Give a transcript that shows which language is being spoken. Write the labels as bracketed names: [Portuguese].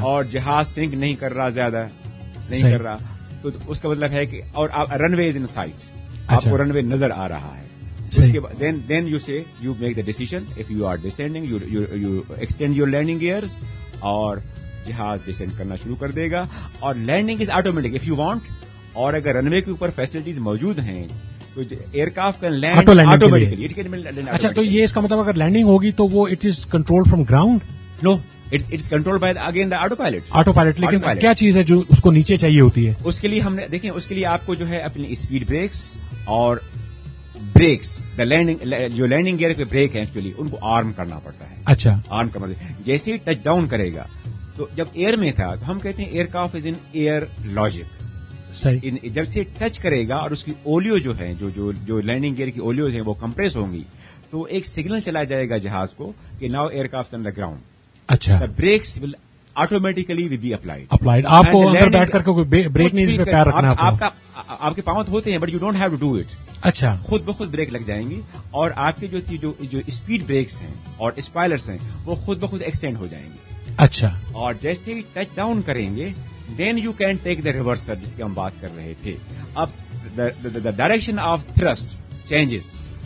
[Urdu] اور جہاز سنک نہیں کر رہا زیادہ نہیں کر رہا تو اس کا مطلب ہے کہ اور [English] runway is in sight [Urdu] آپ کو رن وے نظر آ رہا ہے [English] then you say you make the decision if you are descending you extend your landing gears [Urdu] اور جہاز ڈسینڈ کرنا شروع کر دے گا اور [English] landing is automatic if you want [Urdu] اور اگر رن وے کے اوپر فیسلٹیز موجود ہیں تو [English] aircraft can land automatically [Urdu] اچھا تو یہ اس کا مطلب اگر لینڈنگ ہوگی تو وہ [English] it is control from ground no it's control by again the autopilot [Urdu] auto pilot لیکن کیا چیز ہے جو اس کو نیچے چاہیے ہوتی ہے اس کے لیے ہم نے دیکھیں اس کے لیے آپ کو جو ہے اپنی اسپیڈ بریکس اور بریکس دا لینڈنگ جو لینڈنگ گیئر پہ بریک ہے ایکچولی ان کو آرم کرنا پڑتا ہے اچھا آرم کرنا جیسے ہی ٹچ ڈاؤن کرے گا تو جب ایئر میں تھا تو ہم کہتے ہیں [English] aircraft is in air logic [Urdu] صحیح جب سے ٹچ کرے گا اور اس کی اولیو جو ہے جو لینڈنگ گیئر کی اولیوز ہیں وہ کمپریس ہوں گی تو ایک سگنل چلا جائے گا جہاز کو کہ [English] now aircraft on the ground [Urdu] اچھا [English] the brakes will automatically be [Urdu] applied آپ کو اندر بیٹھ کر کے بریک نہیں پیر رکھنا آپ کے پاؤں تو ہوتے ہیں [English] but you don't have to do it [Urdu] اچھا خود بخود بریک لگ جائیں گی اور آپ کے جو اسپیڈ بریکس ہیں اور اسپائلرس ہیں وہ خود بخود ایکسٹینڈ ہو جائیں گے اچھا اور جیسے ہی ٹچ ڈاؤن کریں گے [English] then you can take the reverser [Urdu] جس کی ہم بات کر رہے تھے اب [English] the direction of thrust changes